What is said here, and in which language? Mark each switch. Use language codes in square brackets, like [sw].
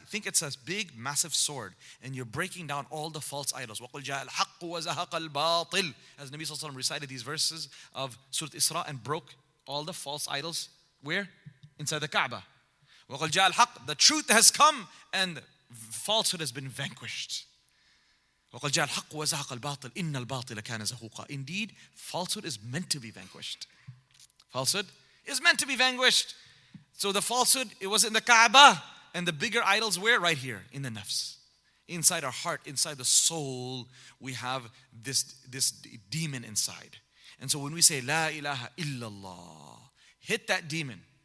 [en] Think it's a big, massive sword. And you're breaking down all the false idols. [ar] وَقُلْ جَاءَ الْحَقُّ وَزَهَقَ الْبَاطِلِ [en] As Nabi SAW recited these verses of Surah Isra and broke all the false idols. Where? Inside the Kaaba. [ar] وَقُلْ جَاءَ الْحَقُّ [en] The truth has come and falsehood has been vanquished. [ar] وَقُلْ جَاءَ الْحَقُّ وَزَهَقَ الْبَاطِلِ إِنَّ الْبَاطِلَ كَانَ زَهُوقًا [en] Indeed, falsehood is meant to be vanquished. Falsehood is meant to be vanquished. So the falsehood, it was in the Kaaba. And the bigger idols were right here, in the nafs. Inside our heart, inside the soul, we have this demon inside. And so when we say, La ilaha illallah, hit that demon.